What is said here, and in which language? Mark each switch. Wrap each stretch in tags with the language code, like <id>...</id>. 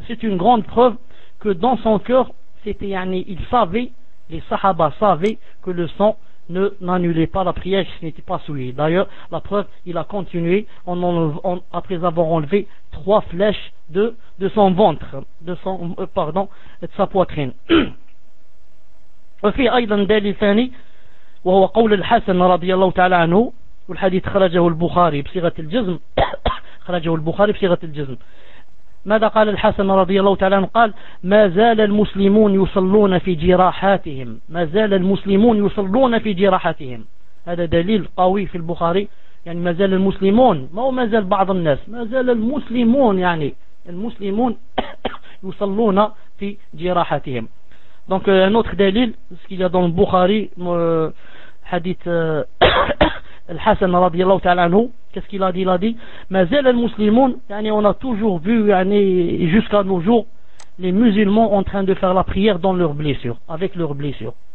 <fr>C'est une grande preuve que dans son cœur, c'était, yani, il savait, les sahabas savaient que le sang n'annulait pas la prière qui n'était pas souillée. D'ailleurs, la preuve, il a continué après avoir enlevé trois flèches de son ventre, de sa poitrine.</fr> <ar>وفي أيضا دليل ثاني وهو قول الحسن رضي الله تعالى عنه والحديث خرجه البخاري بصيغة الجزم ماذا قال الحسن رضي الله تعالى عنه؟ قال ما زال المسلمون يصلون في جراحاتهم هذا دليل قوي في البخاري، يعني ما زال المسلمون، ما هو ما زال بعض الناس، ما زال المسلمون، يعني المسلمون يصلون في جراحاتهم.</ar> <fr>Donc un autre dalil, ce qu'il y a dans le Bukhari, hadith al-Hassan radiyallahu ta'ala anhu, qu'est-ce qu'il a dit? Il a dit</fr> <ar>mazal al-muslimun,</ar> <fr>yani on a toujours vu, yani jusqu'à nos jours, les musulmans en train de faire la prière dans leurs blessures, avec leurs blessures.</fr>